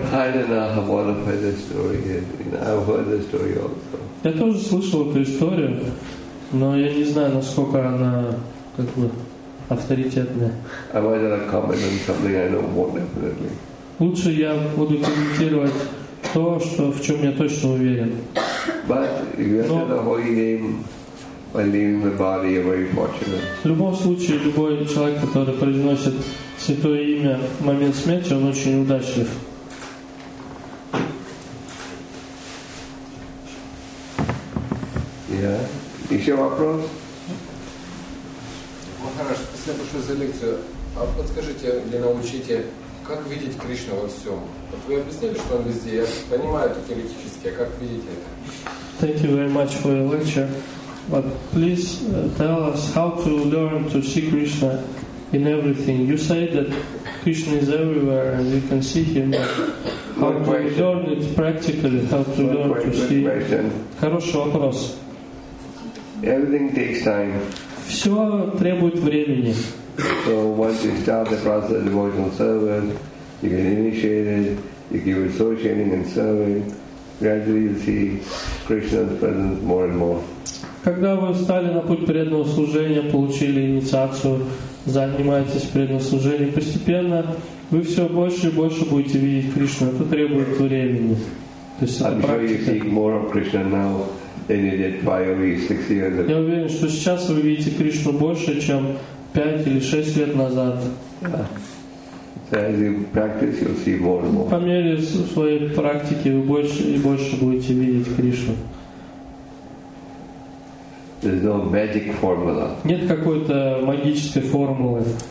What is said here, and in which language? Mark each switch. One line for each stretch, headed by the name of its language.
English: I don't know how to put this story. I've heard this story also.
Russian: Я тоже слышал эту историю, но я не знаю, насколько она как бы. Лучше я буду комментировать то, что в чем я точно уверен. В любом случае, любой человек, который произносит святое имя в момент смерти, он очень удачлив. Yeah. Еще вопрос? Спасибо большое за лекцию. А подскажите или научите, как видеть Кришну во всем? Вот вы объяснили, что он везде. Я понимаю это теоретически. А как видите это?
English: Thank you very much for your lecture. But please tell us how to learn to see Krishna in everything. You say that Krishna is everywhere and you can see him. How to learn it practically? How to learn to see?
Russian: Хороший вопрос.
English: Everything takes time.
Russian: Все требует времени.
English: So once you start the process of devotional service, you get initiated, you keep associating and serving, gradually you see Krishna's presence more and more.
Russian: Когда вы встали на путь преданного служения, получили инициацию, занимаетесь преданным служением, постепенно вы все больше и больше будете видеть Кришну. Это требует времени. То есть это практика.
English: You see more of Krishna now than you did 5 or 6 years ago.
Russian: Я уверен, что сейчас вы видите Кришну больше, чем 5 или 6 лет назад.
English: Yeah. So as you practice, you'll see more and more.
Russian: По мере своей практики вы больше и больше будете видеть Кришну.
English: There's no magic formula.
Russian: Нет какой-то магической формулы.